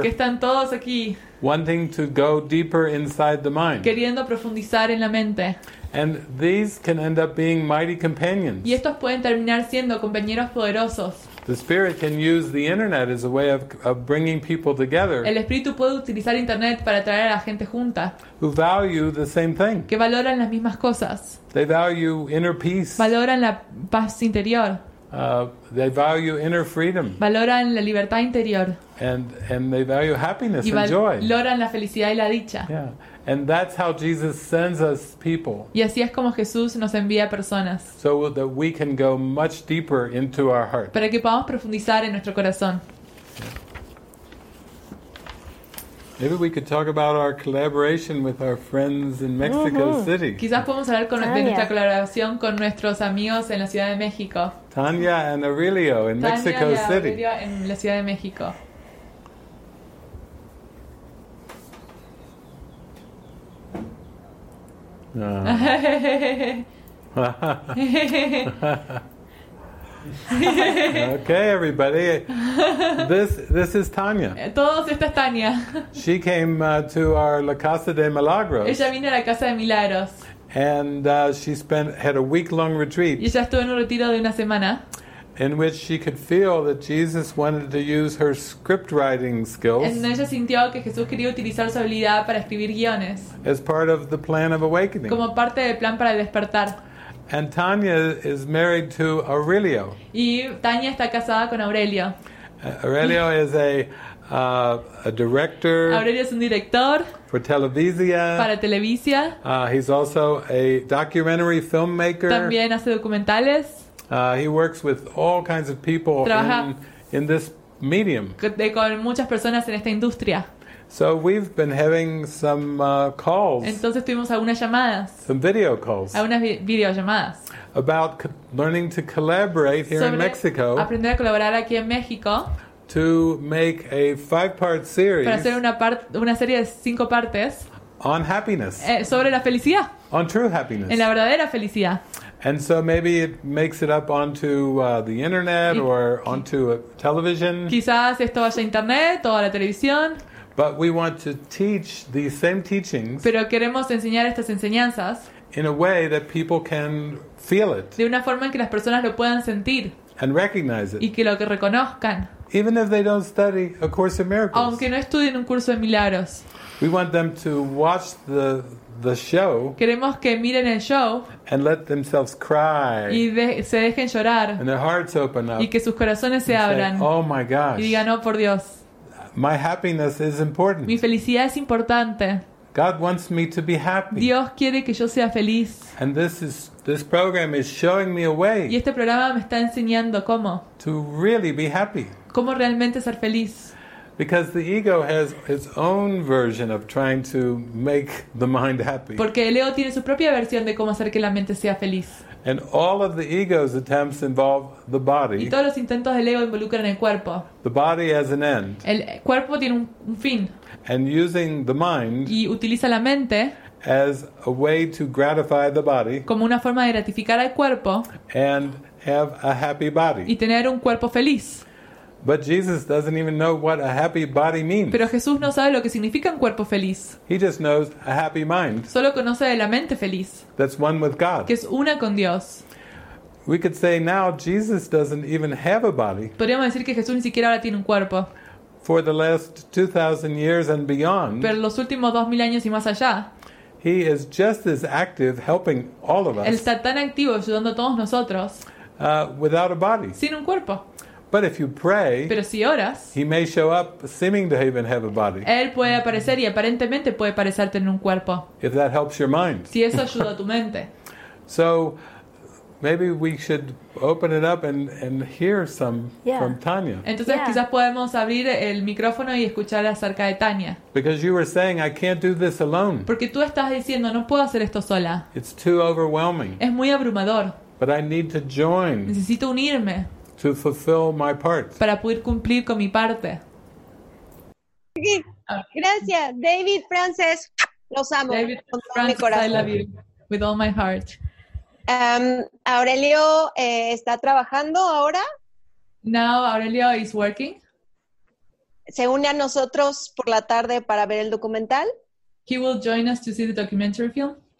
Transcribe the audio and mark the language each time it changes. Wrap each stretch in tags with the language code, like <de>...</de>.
<es>Que están todos aquí.</es> <en>Wanting to go deeper inside the mind.</en> <es>Queriendo profundizar en la mente.</es> <en>And these can end up being mighty companions.</en> <es>Y estos pueden terminar siendo compañeros poderosos.</es> <en>The spirit can use the internet as a way of bringing people together.</en> <es>El espíritu puede utilizar internet para traer a la gente junta.</es> <en>Who value the same thing.</en> <es>Que valoran las mismas cosas.</es> <en>They value inner peace.</en> <es>Valoran la paz interior.</es> <en>They value inner freedom.</en> <es>Valoran la libertad interior.</es> <en>And they value happiness</en> <es>y</es> <en>and joy.</en> <es>Valoran la felicidad y la dicha.</es> <en>Yeah. And that's how Jesus sends us people.</en> <es>Y así es como Jesús nos envía personas.</es> <en>So that we can go much deeper into our heart.</en> <es>Para que podamos profundizar en nuestro corazón.</es> <en>Maybe we could talk about our collaboration with our friends in Mexico uh-huh. City.</en> <es>Quizás podemos hablar con de nuestra colaboración con nuestros amigos en la Ciudad de México.</es> <en>Tanya and Aurelio in Tanya Mexico</en> <es>y</es> <en>City.</en> <es>En la Ciudad de México.</es> <en>Okay, everybody. This is Tanya.</en> <es>Todos, esta es Tanya.</es> <en>She came to our La Casa de Milagros.</en> <es>Ella vino a la Casa de Milagros.</es> <en>And she had a week-long retreat.</en> <es>Y ella estuvo en un retiro de una semana.</es> <en>In which she could feel that Jesus wanted to use her script-writing skills.</en> <es>En ella sintió que Jesús quería utilizar su habilidad para escribir guiones.</es> <en>As part of the plan of awakening.</en> <es>Como parte del plan para despertar.</es> <en>And Tanya is married to Aurelio.</en> <es>Y Tanya está casada con Aurelio.</es> <en>Aurelio is a director.</en> <es>Aurelio es un director.</es> <en>For Televisia.</en> <es>Para Televisia.</es> <en>He's also a documentary filmmaker.</en> <es>También hace documentales.</es> <en>He works with all kinds of people in this medium.</en> <es>Con muchas personas en esta industria.</es> <en>So we've been having some calls.</en> <es>Entonces tuvimos algunas llamadas.</es> <en>Some video calls.</en> <es>Algunas videollamadas.</es> <en>About learning to collaborate here</en> <es>sobre</es> <en>in Mexico.</en> <es>Aprender a colaborar aquí en México.</es> <en>To make a five-part series.</en> <es>Para hacer una serie de cinco partes.</es> <en>On happiness.</en> <es>Sobre la felicidad.</es> <en>On true happiness.</en> <es>En la verdadera felicidad.</es> <en>And so maybe it makes it up onto the internet or onto a television.</en> <es>Quizás esto vaya a internet o a la televisión.</es> <en>But we want to teach these same teachings.</en> <es>Pero queremos enseñar estas enseñanzas.</es> <en>In a way that people can feel it.</en> <es>De una forma en que las personas lo puedan sentir.</es> <en>And recognize it.</en> <es>Y que lo reconozcan.</es> <en>Even if they don't study A Course in Miracles.</en> <es>Aunque no estudien un curso de milagros.</es> <en>We want them to watch the show.</en> <es>Queremos que miren el show.</es> <en>And let themselves cry.</en> <es>Y se dejen llorar.</es> <en>And their hearts open up.</en> <es>Y que sus corazones se abran.</es> <en>Say, oh my gosh.</en> <es>Y digan, oh por Dios.</es> <en>My happiness is important.</en> <es>Mi felicidad es importante.</es> <en>God wants me to be happy.</en> <es>Dios quiere que yo sea feliz.</es> <en>And this program is showing me a way.</en> <es>Y este programa me está enseñando cómo.</es> <en>To really be happy.</en> <es>Cómo realmente ser feliz.</es> <en>Because the ego has its own version of trying to make the mind happy.</en> <es>Porque el ego tiene su propia versión de cómo hacer que la mente sea feliz.</es> <en>And all of the ego's attempts involve the body.</en> <es>Y todos los intentos del ego involucran el cuerpo.</es> <en>The body as an end.</en> <es>El cuerpo tiene un fin.</es> <en>And using the mind.</en> <es>Y utiliza la mente.</es> <en>As a way to gratify the body.</en> <es>Como una forma de gratificar al cuerpo.</es> <en>And have a happy body.</en> <es>Y tener un cuerpo feliz.</es> <en>But Jesus doesn't even know what a happy body means.</en> <es>Pero Jesús no sabe lo que significa un cuerpo feliz.</es> <en>He just knows a happy mind.</en> <es>Solo conoce de la mente feliz.</es> <en>That's one with God.</en> <es>Que es una con Dios.</es> <en>We could say now Jesus doesn't even have a body.</en> <es>Podríamos decir que Jesús ni siquiera ahora tiene un cuerpo.</es> <en>For the last 2,000 years and beyond.</en> <es>Pero los últimos 2,000 años y más allá.</es> <en>He is just as active helping all of us.</en> <es>Él está tan activo ayudando a todos nosotros.</es> <en>Without a body.</en> <es>Sin un cuerpo.</es> <en>But if you pray,</en> <es>pero si oras,</es> <en>he may show up seeming to even have a body.</en> <es>Él puede aparecer y aparentemente puede parecer tener un cuerpo.</es> <en>If that helps your mind.</en> <es>Si eso ayuda a tu mente.</es> <en>So maybe we should open it up and hear some from Tanya.</en> <es>Entonces quizás podemos abrir el micrófono y escuchar acerca de Tanya.</es> <en>Because you were saying I can't do this alone.</en> <es>Porque tú estás diciendo no puedo hacer esto sola.</es> <en>It's too overwhelming.</en> <es>Es muy abrumador.</es> <en>But I need to join.</en> <es>Necesito unirme.</es> <en>To fulfill my part.</en> <es>Para poder cumplir con mi parte. Gracias, David Frances. Los amo.</es> <en>David Frances, I love you with all my heart.</en> <es>Aurelio está trabajando ahora.</es> <en>Now Aurelio is working.</en> <es>Se une a nosotros por la tarde para ver el documental.</es> <en>He will join us to see the documentary film.</en>